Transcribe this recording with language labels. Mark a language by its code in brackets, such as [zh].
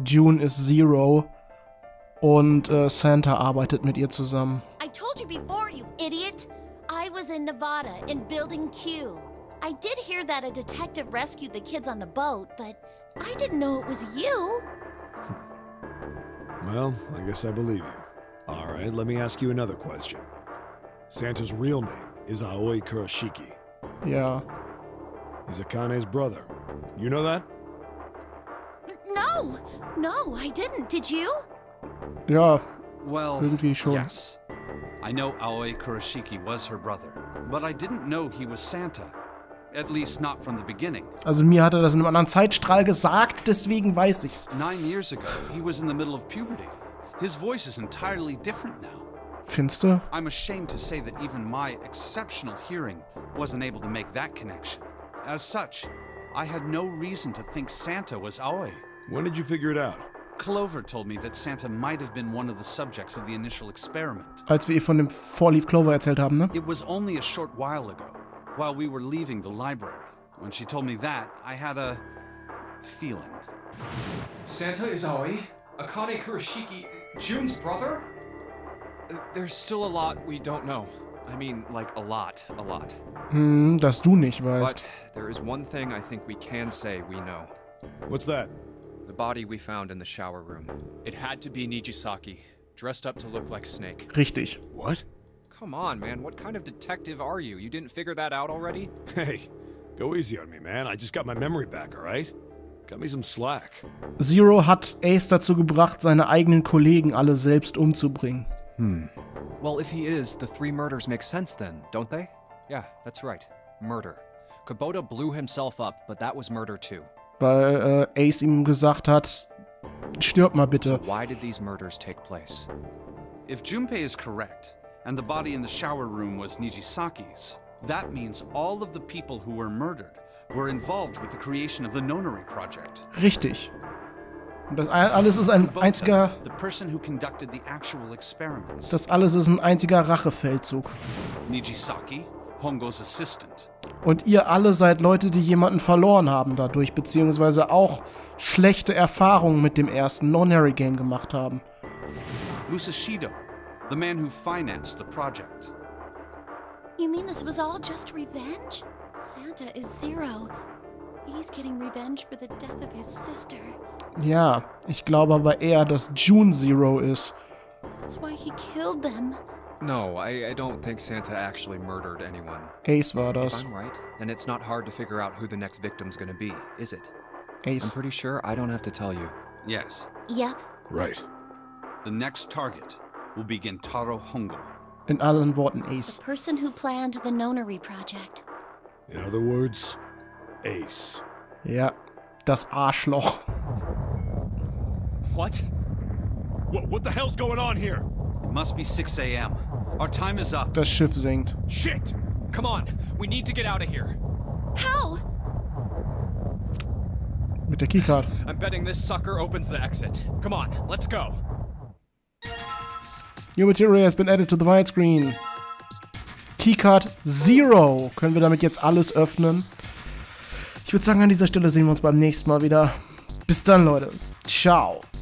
[de] June ist Zero und Santa arbeitet mit ihr zusammen. [en] I told you before, you idiot. I was in Nevada, in Building Q. I did hear that a detective rescued the kids on the boat, but I didn't know it was you. Well, I guess I believe you. All right, let me ask you another question. Santa's real name is Aoi Kurashiki. Yeah. He's Akane's brother. You know that? No! No, I didn't. Did you? Yeah. Well, [de] irgendwie schon. [en] Yes. I know Aoi Kurashiki was her brother, but I didn't know he was Santa. At least not from the beginning. [de] Also mir hat das in einem anderen Zeitstrahl gesagt, deswegen weiß ich's. [en] 9 years ago, he was in the middle of puberty. His voice is entirely different now. [de] Finster? [en] I'm ashamed to say that even my exceptional hearing wasn't able to make that connection. As such, I had no reason to think Santa was Aoi. When did you figure it out? Clover told me that Santa might have been one of the subjects of the initial experiment. [de] Als wir von dem Vorlief Clover erzählt haben, ne? [en] It was only a short while ago, while we were leaving the library. When she told me that, I had a feeling. Santa is Aoi? Akane Kurashiki, June's brother? There's still a lot we don't know. I mean, like, a lot, a lot. [de] Dass du nicht weißt. [en] But there is one thing I think we can say we know. What's that? The body we found in the shower room. It had to be Nijisaki, dressed up to look like Snake. [de] Richtig. [en] What? Come on, man. What kind of detective are you? You didn't figure that out already? Hey, go easy on me, man. I just got my memory back, alright? Cut me some slack. [de] Zero hat Ace dazu gebracht, seine eigenen Kollegen alle selbst umzubringen. [en] Well, if he is, the three murders make sense then, don't they? Yeah, that's right. Murder. Kubota blew himself up, but that was murder too. [de] Weil Ace ihm gesagt hat, stirb mal bitte. [en] So why did these murders take place? If Junpei is correct, and the body in the shower room was Nijisaki's, that means all of the people who were murdered were involved with the creation of the Nonary Project. [de] Richtig. Das alles ist ein Kubota, einziger... [en] The person who conducted the actual experiments. [de] Das alles ist ein einziger Rachefeldzug. [en] Nijisaki, Hongos assistant. [de] Und ihr alle seid Leute, die jemanden verloren haben dadurch, beziehungsweise auch schlechte Erfahrungen mit dem ersten Nonary Game gemacht haben. [en] Musashido, the man who financed the project. You mean this was all just revenge? Santa is Zero. He's getting revenge for the death of his sister. [de] Ja, ich glaube aber eher, dass June Zero ist. [en] That's why he killed them. No, I don't think Santa actually murdered anyone. [de] Ace war das. [en] If I'm right, then it's not hard to figure out who the next victim's gonna be, is it? Ace. I'm pretty sure I don't have to tell you. Yes. Yep. Right. The next target will be Gintaro Hongo. [de] In allen Worten, Ace. [en] The person who planned the Nonary Project. In other words, Ace. [de] Ja, das Arschloch. [en] What? What the hell's going on here? Must be 6 a.m. Our time is up. [de] Das Schiff sinkt. [en] Shit! Come on, we need to get out of here. How? [de] Mit der Keycard. [en] I'm betting this sucker opens the exit. Come on, let's go. New material has been added to the widescreen. [de] Keycard Zero. Können wir damit jetzt alles öffnen? Ich würde sagen, an dieser Stelle sehen wir uns beim nächsten Mal wieder. Bis dann, Leute. Ciao.